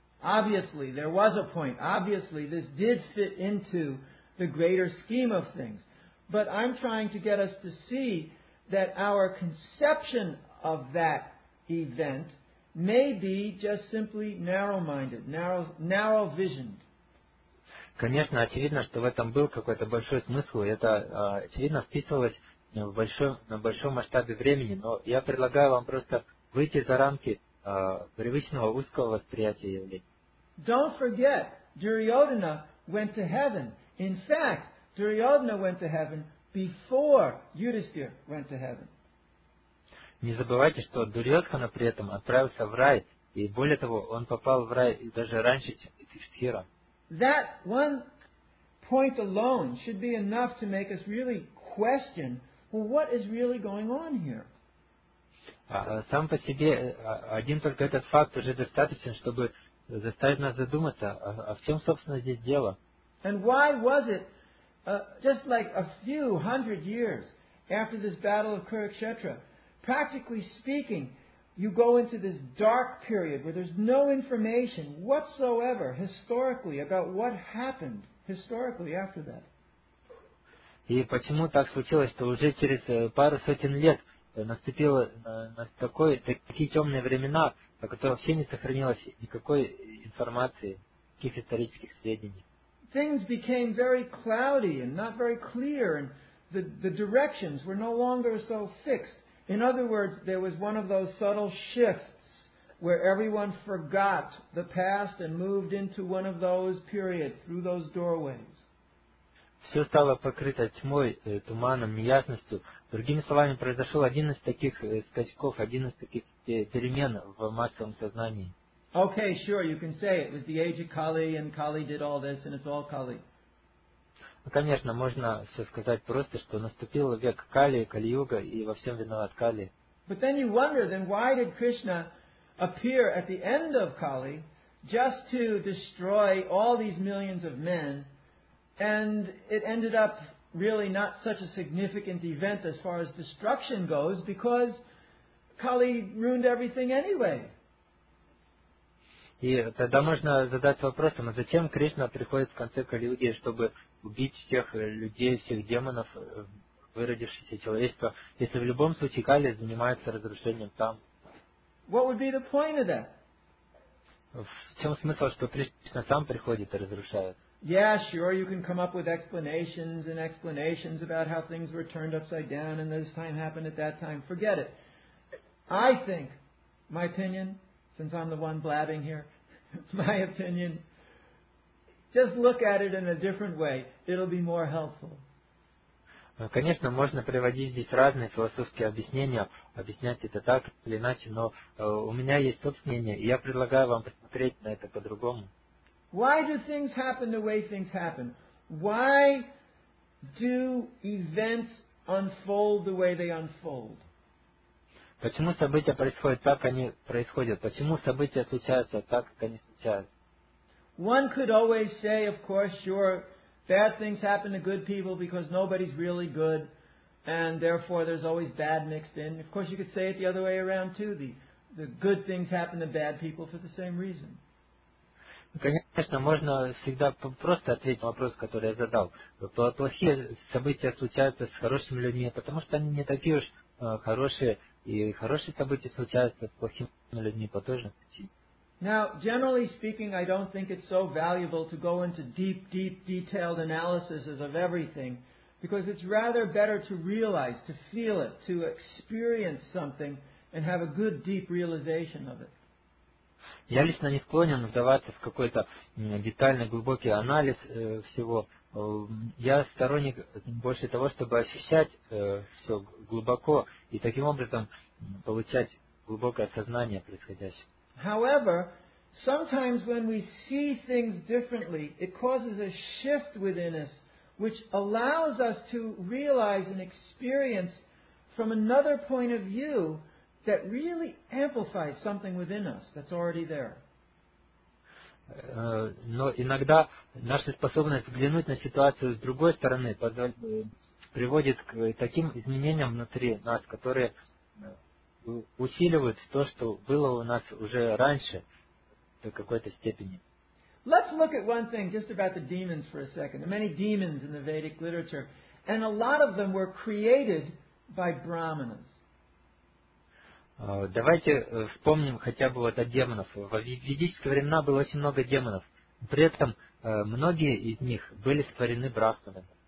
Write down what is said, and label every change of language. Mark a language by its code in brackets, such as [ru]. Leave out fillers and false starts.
[en] Obviously, there was a point. Obviously, this did fit into the greater scheme of things. But I'm trying to get us to see that our conception of that event may be just simply narrow-minded, narrow-visioned. [ru] Конечно, очевидно, что в этом был какой-то большой смысл, и это, очевидно, вписывалось на большом масштабе времени, но я предлагаю вам просто выйти за рамки привычного узкого восприятия явлений. [en] Don't forget, Duryodhana went to heaven. In fact, Duryodhana went to heaven before Yudhisthira went to heaven. [ru] Не забывайте, что Дурьотхана при этом отправился в рай, и более того, он попал в рай даже раньше, чем Юдхиштхира. [en] That one point alone should be enough to make us really question, well, what is really going on here? [ru] Сам по себе, один только этот факт уже достаточен, чтобы заставить нас задуматься, а в чем, собственно, здесь дело? [en] And why was it, just like a few hundred years after this battle of Kurukshetra, practically speaking, you go into this dark period where there's no information whatsoever historically about what happened historically after that. [ru] И почему так случилось, что уже через пару сотен лет наступило такие темные времена, о которых вообще не сохранилось никакой информации, никаких исторических сведений? [en] Things became very cloudy and not very clear, and the directions were no longer so fixed. In other words, there was one of those subtle shifts where everyone forgot the past and moved into one of those periods through those doorways. [ru] Все стало покрыто тьмой, туманом, неясностью. Другими словами, произошел один из таких скачков, один из таких перемен в массовом сознании. [en] Okay, sure, you can say it was the age of Kali and Kali did all this and it's all Kali. [ru] Конечно, можно все сказать просто, что наступил век Кали, Кали-юга, и во всем виноват Кали. [en] But then you wonder, then why did Krishna appear at the end of Kali just to destroy all these millions of men, and it ended up really not such a significant event as far as destruction goes, because Kali ruined everything anyway. [ru] И тогда можно задать вопросом, а зачем Кришна приходит в конце Кали-юги, чтобы убить всех людей, всех демонов, выродившееся человечество, если в любом случае Кали занимается разрушением там? [en] What would be the point of that? [ru] В чем смысл, что Кришна сам приходит и разрушает? [en] Yeah, sure, you can come up with explanations and explanations about how things were turned upside down and this time happened at that time. Forget it. I think, my opinion, since I'm the one blabbing here, it's my opinion. Just look at it in a different way. It'll be more helpful. [ru] Конечно, можно приводить здесь разные философские объяснения, объяснять это так или иначе, но у меня есть тот мнение, и я предлагаю вам посмотреть на это по-другому. [en] Why do things happen the way things happen? Why do events unfold the way they unfold? [ru] Почему события происходят так, как они происходят? Почему события случаются так, как они случаются? [en] One could always say, of course, sure, bad things happen to good people because nobody's really good, and therefore there's always bad mixed in. Of course, you could say it the other way around, too. The good things happen to bad people for the same reason. [ru] Конечно, можно всегда просто ответить на вопрос, который я задал. Плохие события случаются с хорошими людьми, потому что они не такие уж хорошие, и хорошие события случаются с плохими людьми по той же причине. [en] Now, generally speaking, I don't think it's so valuable to go into deep, deep, detailed analysis of everything, because it's rather better to realize, to feel it, to experience something, and have a good, deep realization of it. [ru] Я лично не склонен вдаваться в какой-то детальный, глубокий анализ всего. Я сторонник больше того, чтобы ощущать все глубоко и таким образом получать глубокое сознание происходящего. [en] However, sometimes when we see things differently, it causes a shift within us, which allows us to realize and experience from another point of view that really amplifies something within us that's already there. [ru] Но иногда наша способность взглянуть на ситуацию с другой стороны приводит к таким изменениям внутри нас, которые усиливают то, что было у нас уже раньше до какой-то степени. [en] Let's look at one thing just about the demons for a second. There are many demons in the Vedic literature, and a lot of them were created by brahmanas. [ru] Давайте вспомним хотя бы вот о демонах. В ведические времена было очень много демонов. При этом многие из них были сотворены брахманами.